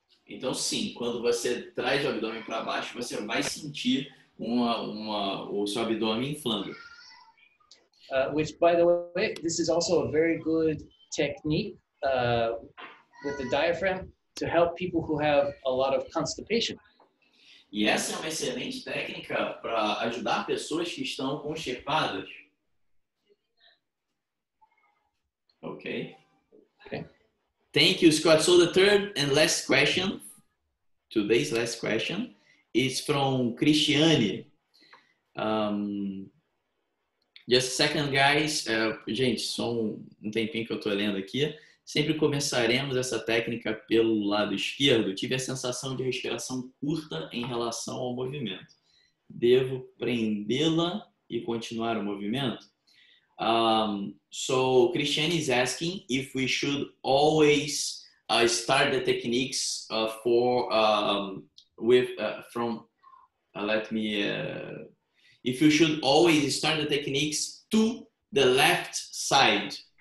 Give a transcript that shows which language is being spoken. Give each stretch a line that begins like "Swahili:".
Portuguese: Então sim, quando você traz o abdômen para baixo, você vai sentir o seu abdômen inflando.
English: Which, by the way, this is also a very good technique with the diaphragm to help people who have a lot of constipation.
Portuguese: E essa é uma excelente técnica para ajudar pessoas que estão constipadas.
English: Okay. Thank you, Scott. So the third and last question, today's last question, is from Cristiane. Just a second, guys.
Portuguese: Gente, só um tempinho que eu estou lendo aqui. Sempre começaremos essa técnica pelo lado esquerdo. Tive a sensação de respiração curta em relação ao movimento. Devo prendê-la e continuar o movimento?
English: So, Christian is asking if we should always start the techniques if you should always start the techniques to the left side.